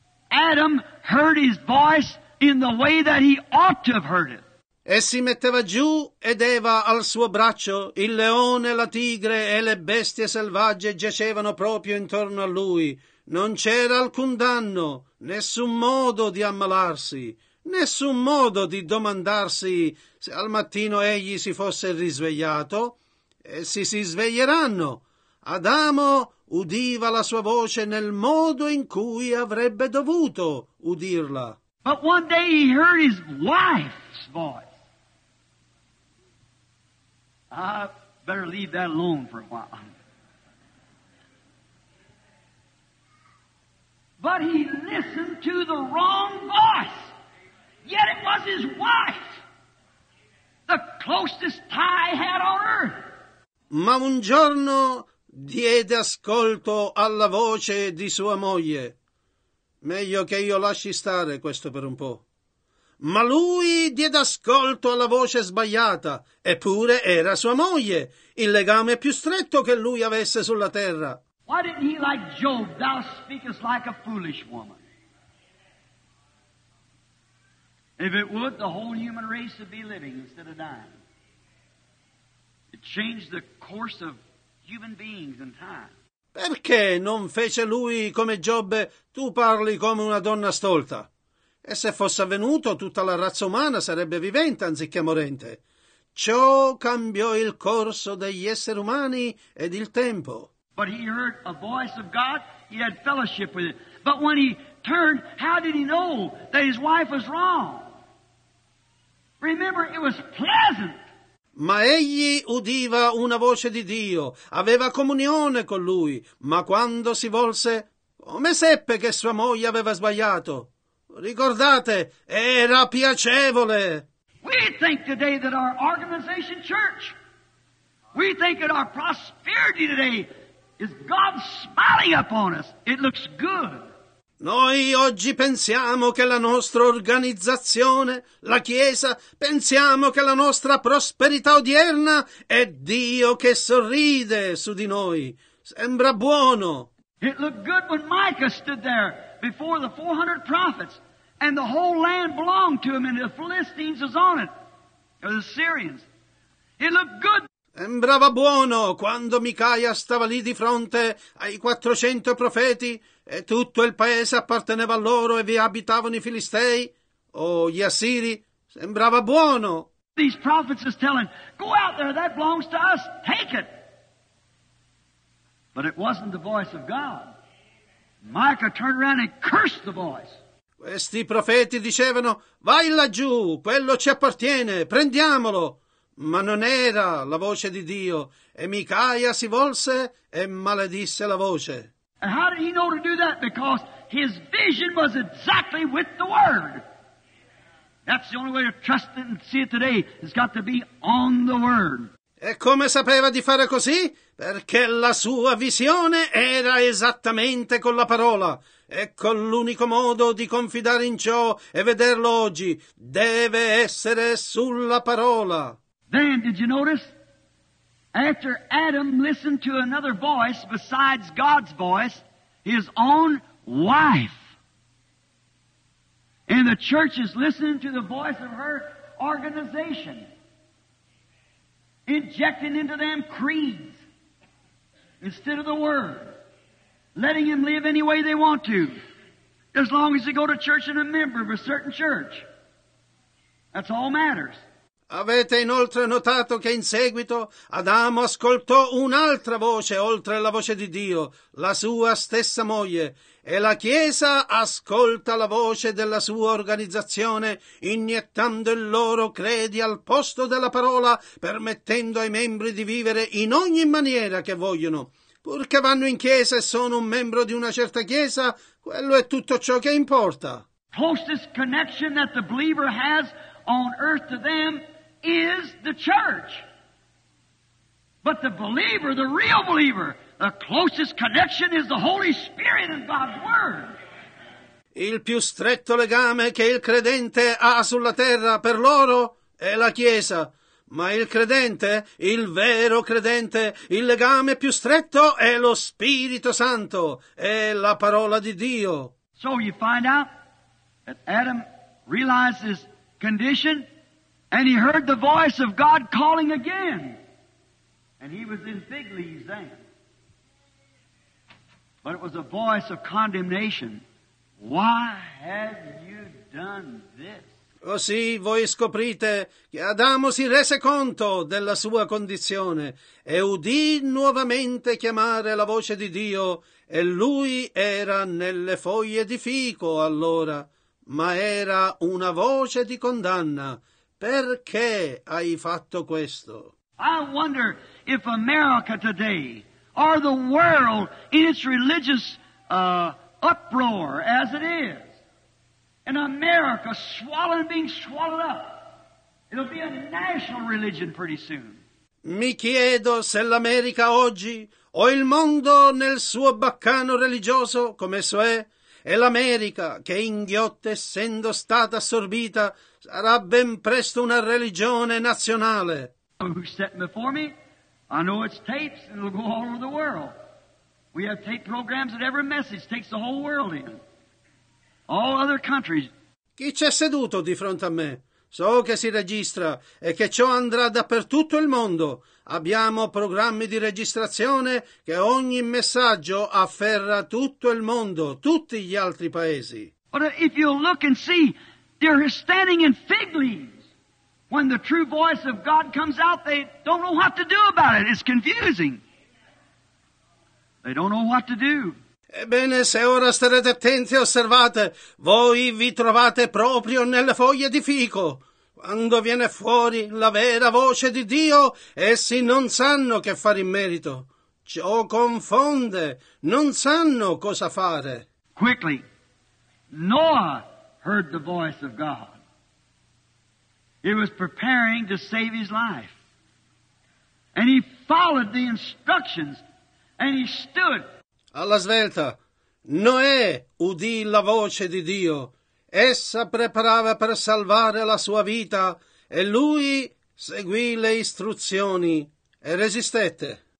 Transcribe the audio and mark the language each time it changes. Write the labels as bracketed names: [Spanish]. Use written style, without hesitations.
[English] Adam heard his voice in the way that he ought to have heard it. [Italian] E si metteva giù ed Eva al suo braccio. Il leone, la tigre e le bestie selvagge giacevano proprio intorno a lui. Non c'era alcun danno, nessun modo di ammalarsi. Nessun modo di domandarsi se al mattino egli si fosse risvegliato. Essi si sveglieranno. Adamo udiva la sua voce nel modo in cui avrebbe dovuto udirla. [English] But one day he heard his wife's voice. I better leave that alone for a while. But he listened to the wrong voice. Yet it was his wife, the closest tie had on earth. [Italian] Ma un giorno diede ascolto alla voce di sua moglie. Meglio che io lasci stare questo per un po'. Ma lui diede ascolto alla voce sbagliata, eppure era sua moglie, il legame più stretto che lui avesse sulla terra. [English] Why didn't he like Job, thou speakest like a foolish woman? If it would, the whole human race would be living instead of dying. It changed the course of human beings and time. [Italian] Perché non fece lui come Giobbe, tu parli come una donna stolta? E se fosse avvenuto, tutta la razza umana sarebbe vivente anziché morente. Ciò cambiò il corso degli esseri umani ed il tempo. [English] But he heard a voice of God, he had fellowship with it. But when he turned, how did he know that his wife was wrong? Remember, it was pleasant. [Italian] Ma egli udiva una voce di Dio, aveva comunione con lui, ma quando si volse, come seppe che sua moglie aveva sbagliato? Ricordate, era piacevole! [English] We think today that our organization church, we think that our prosperity today is God smiling upon us. It looks good. [Italian] Noi oggi pensiamo che la nostra organizzazione, la Chiesa, pensiamo che la nostra prosperità odierna è Dio che sorride su di noi. Sembra buono. [English] It looked good when Micah stood there before the 400 prophets and the whole land belonged to him and the Philistines was on it, or the Syrians. It looked good. [Italian] Sembrava buono quando Micaia stava lì di fronte ai 400 profeti e tutto il paese apparteneva a loro e vi abitavano i Filistei o gli Assiri. Sembrava buono. [English] These prophets are telling, go out there, that belongs to us, take it. But it wasn't the voice of God. Micah turned around and cursed the voice. [Italian] Questi profeti dicevano, vai laggiù, quello ci appartiene, prendiamolo. Ma non era la voce di Dio, e Micaia si volse e maledisse la voce. [English] And how did he know to do that? Because his vision was exactly with the Word. That's the only way to trust it and see it today. It's got to be on the Word. [Italian] E come sapeva di fare così? Perché la sua visione era esattamente con la parola. Ecco l'unico modo di confidare in ciò e vederlo oggi. Deve essere sulla parola. [English] Then, did you notice, after Adam listened to another voice besides God's voice, his own wife, and the church is listening to the voice of her organization, injecting into them creeds instead of the Word, letting them live any way they want to, as long as they go to church and a member of a certain church. That's all matters. [Italian] Avete inoltre notato che in seguito Adamo ascoltò un'altra voce oltre la voce di Dio, la sua stessa moglie, e la Chiesa ascolta la voce della sua organizzazione, iniettando il loro credi al posto della parola, permettendo ai membri di vivere in ogni maniera che vogliono. Purché vanno in Chiesa e sono un membro di una certa Chiesa, quello è tutto ciò che importa. [English] Closest connection that the believer has on earth to them is the church. But the believer, the real believer, the closest connection is the Holy Spirit and God's Word. [Italian] Il più stretto legame che il credente ha sulla terra per loro è la Chiesa. Ma il credente, il vero credente, il legame più stretto è lo Spirito Santo, è la parola di Dio. [English] So you find out that Adam realizes condition, and he heard the voice of God calling again, and he was in fig leaves then, but it was a voice of condemnation. Why have you done this? [Italian] Così voi scoprite che Adamo si rese conto della sua condizione e udì nuovamente chiamare la voce di Dio, e lui era nelle foglie di fico allora. Ma era una voce di condanna. Perché hai fatto questo? [English] I wonder if America today, or the world in its religious uproar as it is, and America swallowed and being swallowed up, it'll be a national religion pretty soon. [Italian] Mi chiedo se l'America oggi, o il mondo nel suo baccano religioso, come esso è, E l'America, che inghiotta essendo stata assorbita, sarà ben presto una religione nazionale. [English] Who's sitting before me? I know it's tapes and it'll go all over the world. We have tape programs that every message takes the whole world in. All other countries. [Italian] Chi c'è seduto di fronte a me? So che si registra e che ciò andrà dappertutto il mondo. Abbiamo programmi di registrazione che ogni messaggio afferra tutto il mondo, tutti gli altri paesi. [English] But if you look and see, they're standing in fig leaves. When the true voice of God comes out, they don't know what to do about it. It's confusing. They don't know what to do. [Italian] Ebbene, se ora starete attenti e osservate, voi vi trovate proprio nelle foglie di fico. Quando viene fuori la vera voce di Dio, essi non sanno che fare in merito. Ciò confonde, non sanno cosa fare. [English] Quickly, Noah heard the voice of God. He was preparing to save his life. And he followed the instructions and he stood. [Italian] Alla svelta, Noè udì la voce di Dio. Essa preparava per salvare la sua vita e lui seguì le istruzioni e resistette.